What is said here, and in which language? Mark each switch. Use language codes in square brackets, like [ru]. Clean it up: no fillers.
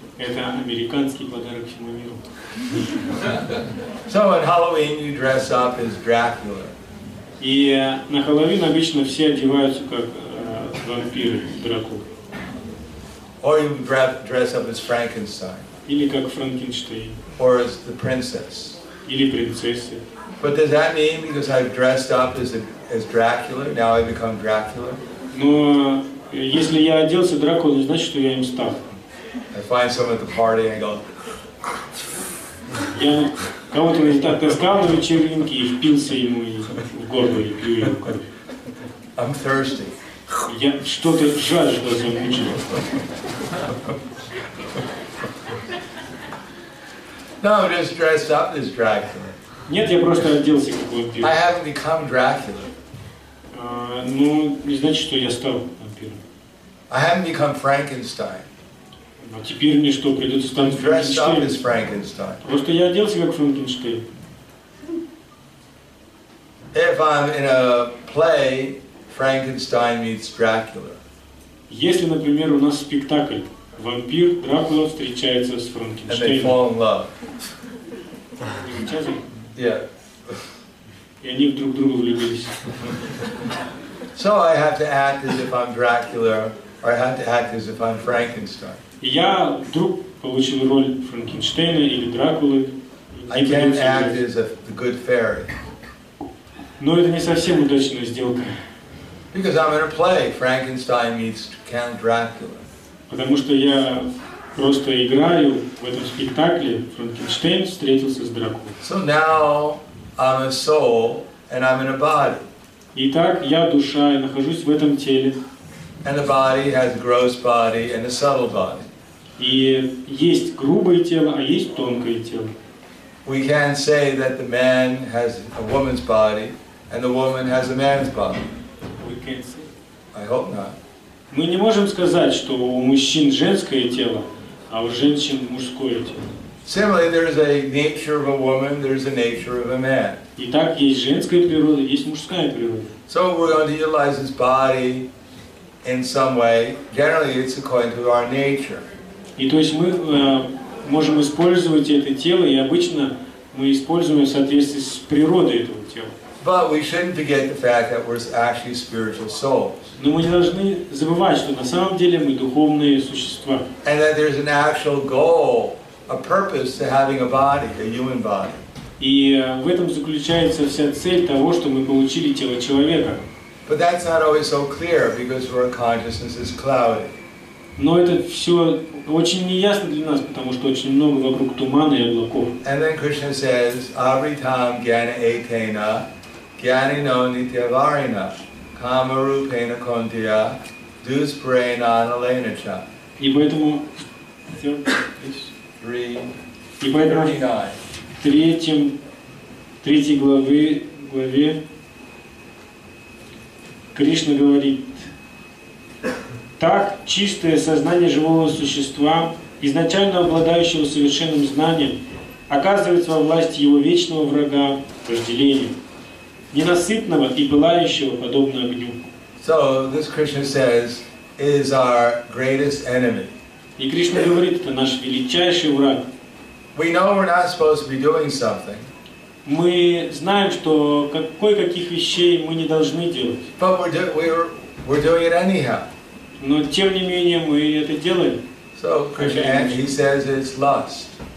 [ru] Это американский подарок всему миру. [en] So at Halloween you dress up as Dracula. [ru] И на Хэллоуин обычно все одеваются как вампиры, Дракулы. [en] Or you can dress up as Frankenstein. [ru] Или как Франкенштейн. [en] Or as the princess. [ru] Или принцесса. [en] But does that mean because I've dressed up as Dracula, now I become Dracula? [ru] Но если я оделся Дракулой, значит, что я им стал. [en] I find someone at the party and go. [ru] Я кого-то не так достал на вечеринке и впился ему в горло и пью его кровь. [en] I'm thirsty. [ru] Я что-то жажду замучил. [en] No, I'm just dressed up as Dracula. [ru] Нет, я просто оделся как вампир. [en] I haven't become Dracula. [ru] Ну, не значит, что я стал вампиром. [en] I haven't become Frankenstein. [ru] А теперь мне что, придется стать Франкенштейн? Просто я оделся как Франкенштейн. [en] If I'm in a play, Frankenstein meets Dracula. [ru] Если, например, у нас спектакль, вампир Дракула встречается с Франкенштейном. [en] And they fall in love. [ru] Замечательно? [en] Yeah. [ru] И они друг в друга влюбились. [en] So I have to act as if I'm Dracula, or I have to act as if I'm Frankenstein. [ru] И я вдруг получил роль Франкенштейна или Дракулы. [en] I can't act as a good fairy. [ru] Но это не совсем удачная сделка. [en] Because I'm in a play, Frankenstein meets Count Dracula. [ru] Потому что я просто играю в этом спектакле, Франкенштейн встретился с Дракулой. [en] So now I'm a soul and I'm in a body. [ru] Итак, я душа, я нахожусь в этом теле. [en] And the body has a gross body and a subtle body. [ru] И есть грубое тело, а есть тонкое тело. [en] We can't say that the man has a woman's body and the woman has a man's body. We can't say. I hope not. [ru] Мы не можем сказать, что у мужчин женское тело, а у женщин мужское тело. [en] Similarly, there is a nature of a woman, there is a nature of a man. [ru] Итак, есть женская природа, есть мужская природа. [en] So we're going to utilize his body in some way. Generally, it's according to our nature. [ru] И то есть мы можем использовать это тело, и обычно мы используем в соответствии с природой этого тела. [en] But we shouldn't forget the fact that we're actually spiritual souls. [ru] Но мы не должны забывать, что на самом деле мы духовные существа. [en] And that there's an actual goal, a purpose to having a body, a human body. [ru] И в этом заключается вся цель того, что мы получили тело человека. [en] But that's not always so clear because our consciousness is cloudy. [ru] Но это все очень неясно для нас, потому что очень много вокруг тумана и облаков. [en] And then Krishna says, [sa] Avritam Gyana Etena, Gyanino Nityavarina, Kamarupena Kondiya, Duspreena Analena Cha. [ru] И поэтому... [en] Three... [ru] И поэтому в третьей главе Кришна говорит: так чистое сознание живого существа, изначально обладающего совершенным знанием, оказывается во власти его вечного врага, вожделения, ненасытного и пылающего подобно огню. [en] So this Krishna says is our greatest enemy. [ru] И Кришна говорит, это наш величайший враг. [en] We know we're not supposed to be doing something. [ru] Мы знаем, что кое-каких вещей мы не должны делать. [en] But we're doing it anyhow. [ru] Но тем не менее мы это делаем. [en] So Krishna, he says it's lust.